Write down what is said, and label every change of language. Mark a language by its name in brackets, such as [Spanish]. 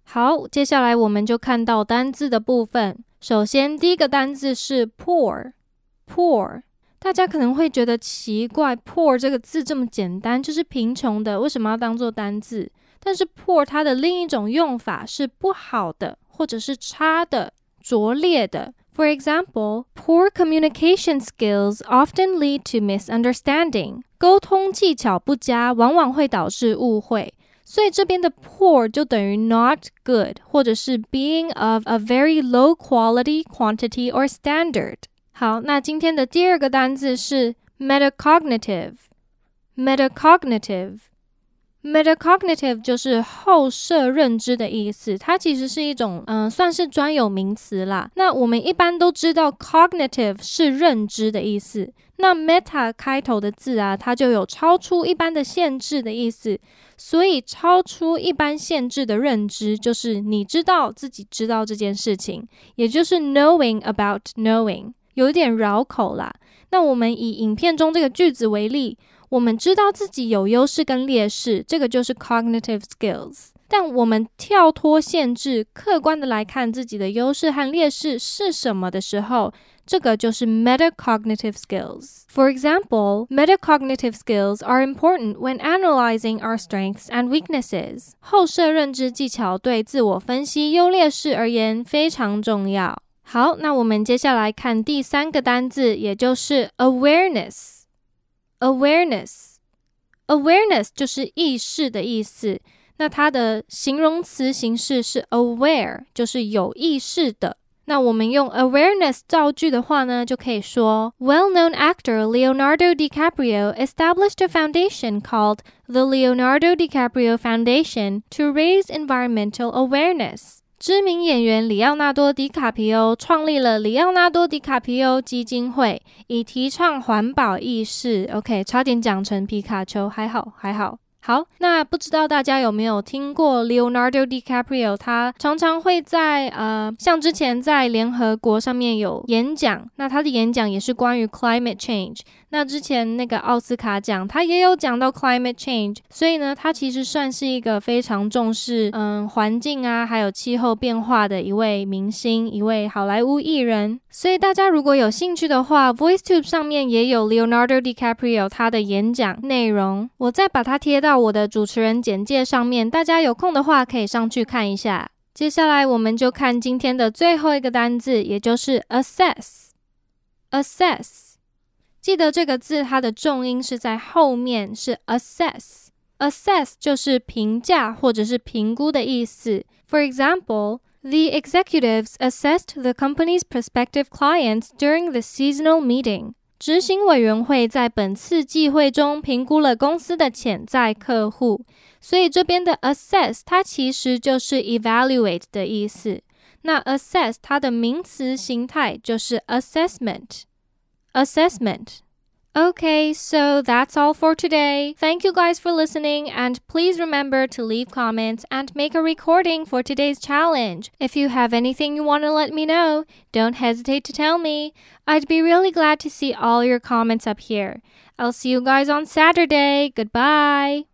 [Chinese] 好，接下来我们就看到单字的部分。首先第一个单字是 poor。 Poor， 大家可能会觉得奇怪 ，poor 这个字这么简单，就是贫穷的，为什么要当做单字？但是 poor 它的另一种用法是不好的，或者是差的、拙劣的。 [English] For example, poor communication skills often lead to misunderstanding. [Chinese] 沟通技巧不佳往往会导致误会。所以这边的 poor 就等于 [English] not good, [Chinese] 或者是 [English] being of a very low quality, quantity, or standard. [Chinese] 好，那今天的第二个单字是 metacognitive. [English] Metacognitive. [Chinese] Metacognitive 就是后设认知的意思，它其实是一种算是专有名词啦。那我们一般都知道 cognitive 是认知的意思，那 meta 开头的字啊，它就有超出一般的限制的意思，所以超出一般限制的认知就是你知道自己知道这件事情，也就是 [English] knowing about knowing， [Chinese] 有点绕口啦。那我们以影片中这个句子为例，我们知道自己有优势跟劣势，这个就是 cognitive skills。但我们跳脱限制，客观的来看自己的优势和劣势是什么的时候，这个就是 metacognitive skills。 [English] For example, metacognitive skills are important when analyzing our strengths and weaknesses. [Chinese] 后设认知技巧对自我分析优劣势而言非常重要。好，那我们接下来看第三个单字，也就是 awareness。 [English] Awareness. [Chinese] Awareness 就是意识的意思，那它的形容词形式是 aware， 就是有意识的。那我们用 awareness 造句的话呢，就可以说 [English] Well-known actor Leonardo DiCaprio established a foundation called the Leonardo DiCaprio Foundation to raise environmental awareness. [Chinese] 知名演员里奥纳多·迪卡皮欧创立了里奥纳多·迪卡皮欧基金会，以提倡环保意识。 OK， 差点讲成皮卡丘，还好还好。好，那不知道大家有没有听过 Leonardo DiCaprio， 他常常会在像之前在联合国上面有演讲，那他的演讲也是关于 climate change， 那之前那个奥斯卡奖他也有讲到 climate change， 所以呢他其实算是一个非常重视环境啊还有气候变化的一位明星，一位好莱坞艺人。所以大家如果有兴趣的话， VoiceTube 上面也有 Leonardo DiCaprio 他的演讲内容，我再把它贴到我的主持人简介上面，大家有空的话可以上去看一下。接下来我们就看今天的最后一个单字，也就是 assess。 assess， 记得这个字它的重音是在后面，是 assess。 assess 就是评价或者是评估的意思。 [English] For example, the executives assessed the company's prospective clients during the seasonal meeting. [Chinese] 执行委员会在本次季会中评估了公司的潜在客户，所以这边的 assess 它其实就是 evaluate 的意思。那 assess 它的名词形态就是 assessment。 [English] assessment。 Okay, so that's all for today. Thank you guys for listening, and please remember to leave comments and make a recording for today's challenge. If you have anything you want to let me know, don't hesitate to tell me. I'd be really glad to see all your comments up here. I'll see you guys on Saturday. Goodbye!